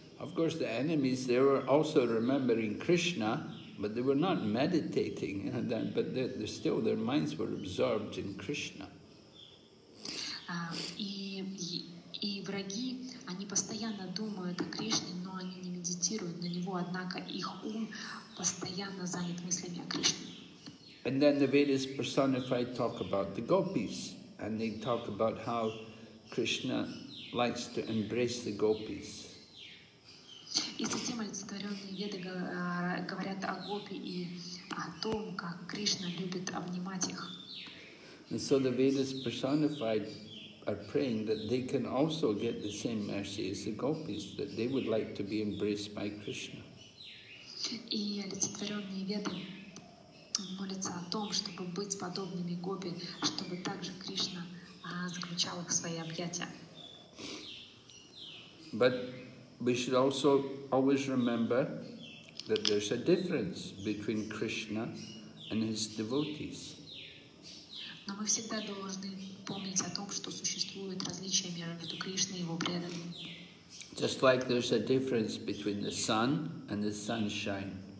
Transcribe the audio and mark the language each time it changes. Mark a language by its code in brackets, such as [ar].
[en] Of course, the enemies, they were also remembering Krishna, but they were not meditating, but they're still, their minds were absorbed in Krishna. [ru] И враги, они постоянно думают о Кришне, но они не медитируют на него, однако их ум постоянно занят мыслями о Кришне. [en] And then the Vedas personified talk about the gopis, and they talk about how Krishna likes to embrace the gopis. [ru] И затем олицетворенные веды говорят о гопи и о том, как Кришна любит обнимать их. [en] And so the Vedas personified are praying that they can also get the same mercy as the gopis, that they would like to be embraced by Krishna. [ru] И олицетворенные веды молятся о том, чтобы быть подобными гопи, чтобы также Кришна заключал их в свои объятия. [en] But we should also always remember that there's a difference between Krishna and his devotees. [ru] Но мы всегда должны помнить о том, что существует различие между Кришной и его преданными. [en] Just like there's a difference between the sun and the sunshine.